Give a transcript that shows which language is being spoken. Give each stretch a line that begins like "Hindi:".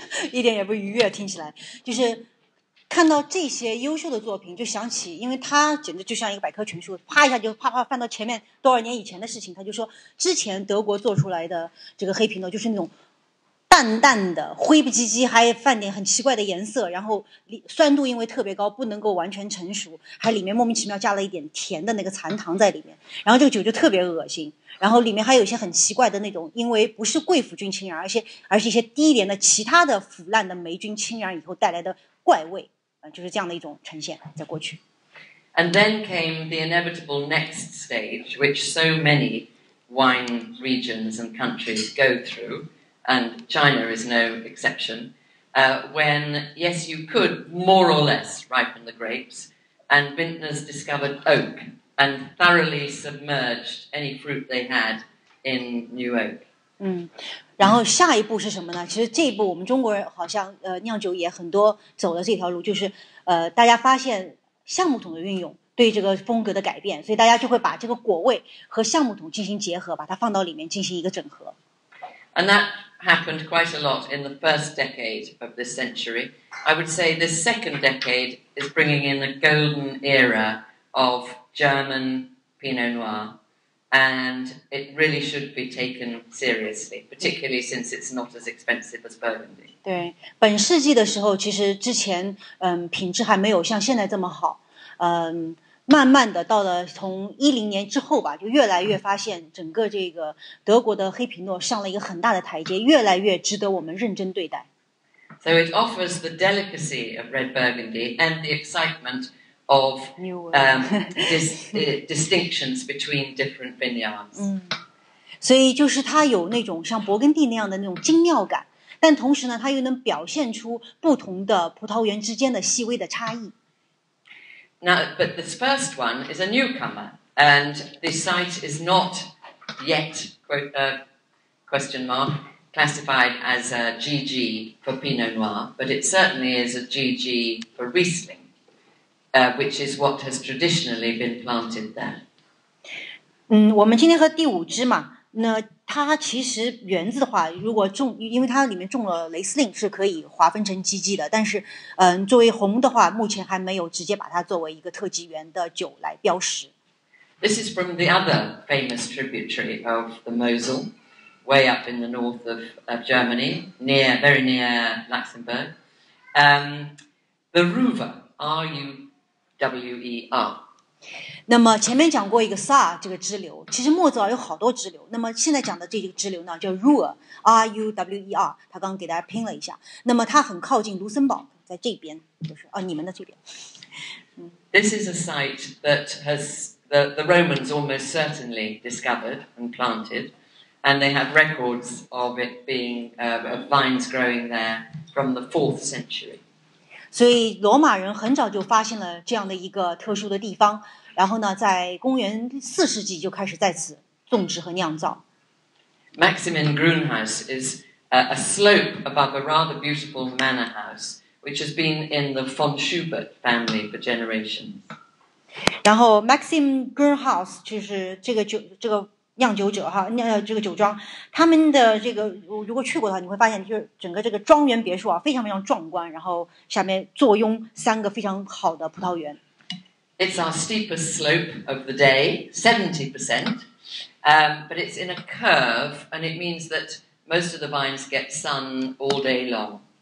Chinese: 一点也不愉悦，听起来就是看到这些优秀的作品，就想起，因为它简直就像一个百科全书，啪一下就啪啪翻到前面多少年以前的事情。他就说，之前德国做出来的这个黑皮诺就是那种淡淡的、灰不唧唧，还泛点很奇怪的颜色，然后酸度因为特别高，不能够完全成熟，还里面莫名其妙加了一点甜的那个残糖在里面，然后这个酒就特别恶心。然后里面还有一些很奇怪的那种，因为不是贵腐菌侵染，而是一些低廉的其他的腐烂的霉菌侵染以后带来的怪味，就是这样的一种呈现在过去。
English: And then came the inevitable next stage, which so many wine regions and countries go through, and China is no exception, when, yes, you could more or less ripen the grapes, and vintners discovered oak. And thoroughly submerged any fruit they had in new oak.
Chinese: 然后下一步是什么呢？其实这一步我们中国人好像酿酒也很多走了这条路，就是大家发现橡木桶的运用对这个风格的改变，所以大家就会把这个果味和橡木桶进行结合，把它放到里面进行一个整合。
English: And that happened quite a lot in the first decade of this century. I would say this second decade is bringing in a golden era of. German Pinot Noir, and it really should be taken seriously, particularly since it's not as expensive as Burgundy.
Chinese: 对，本世纪的时候，其实之前品质还没有像现在这么好。慢慢的到了从10年之后吧，就越来越发现整个这个德国的黑皮诺上了一个很大的台阶，越来越值得我们认真对待。
English: So it offers the delicacy of red Burgundy and the excitement. Of distinctions between different vineyards.
Chinese: 所以就是它有那种像勃艮第那样的那种精妙感，但同时呢，它又能表现出不同的葡萄园之间的细微的差异。
English: Now, but this first one is a newcomer, and the site is not yet classified as a GG for Pinot Noir, but it certainly is a GG for Riesling. Which is what has traditionally been planted there.
Chinese: 我们今天喝第五支嘛，那它其实园子的话，如果种，因为它里面种了雷司令是可以划分成基级的，但是作为红的话，目前还没有直接把它作为一个特级园的酒来标识。
English: This is from the other famous tributary of the Mosel, way up in the north of Germany, very near Luxembourg. The Ruwer, R-U-W-E-R.
Chinese: 那么前面讲过一个 Saar 这个支流，其实莫泽尔有好多支流。那么现在讲的这个支流呢，叫 Ruwer，R-U-W-E-R， 他刚刚给大家拼了一下。那么它很靠近卢森堡，在这边，就是你们的这边。
English: This is a site that has... The Romans almost certainly discovered and planted, and they have records of it being, of vines growing there from the 4th century.
Chinese: 所以罗马人很早就发现了这样的一个特殊的地方，然后呢，在公元四世纪就开始在此种植和酿造。
English: Maximin Grunhaus is a slope above a rather beautiful manor house, which has been in the von Schubert family for generations.
Chinese: 然后 Maxim Grunhaus 就是这个酿酒者哈，这个酒庄，他们的这个如果去过的话，你会发现就是整个这个庄园别墅啊，非常非常壮观，然后下面坐拥三个非常好的葡萄园。
English: It's our steepest slope of the day, 70%, but it's in a curve, and it means that most of the vines get sun all day long.